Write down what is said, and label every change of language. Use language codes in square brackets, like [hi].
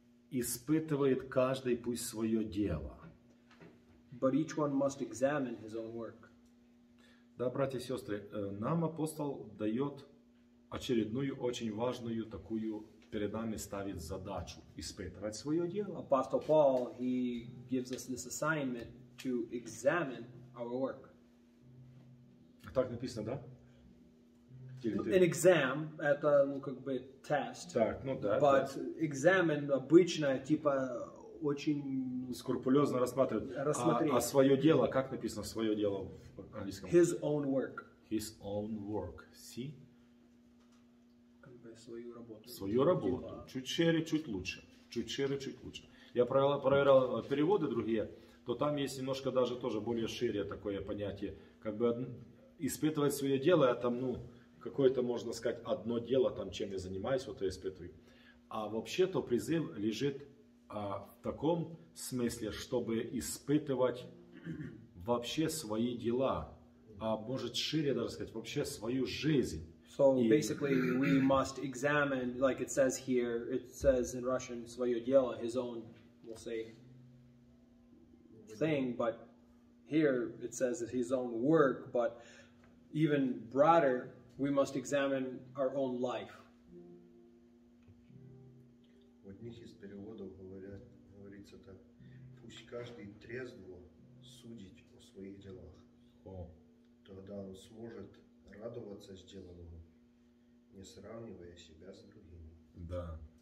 [ru] Испытывает каждый пусть свое дело. [en] But each one must examine his own work. [ru] Да, братья и сестры, нам апостол дает очередную очень важную такую перед нами ставит задачу испытывать свое дело. [en] Apostle Paul, he gives us this assignment to examine our work. [ru] Так написано, да? [en] An exam, [ru] это как бы test. Так, ну да. [en] But [ru] да. Examine обычно типа очень скрупулезно рассматривать. А свое дело, как написано свое дело в английском? [en] His own work. His own work. See? [ru] Свою работу. Свою работу. Типа... Чуть шире, чуть лучше. Чуть шире, чуть лучше. Я проверял переводы другие, то там есть немножко даже тоже более шире такое понятие. Как бы испытывать свое дело, а там, ну, какое-то, можно сказать, одно дело, там, чем я занимаюсь, вот я испытываю. А вообще-то призыв лежит в таком смысле, чтобы испытывать вообще свои дела, а может шире даже сказать, вообще свою жизнь. [en] So basically, we must examine, like it says here, it says in Russian, [ru] своё дело, [en] his own, we'll say, thing, but here it says his own work, but even broader, we must examine our own life. [ru] В одних из переводов говорится так, пусть каждый трезво судить о своих делах, тогда он сможет радоваться сделанному. Не сравнивая себя с другими. Да.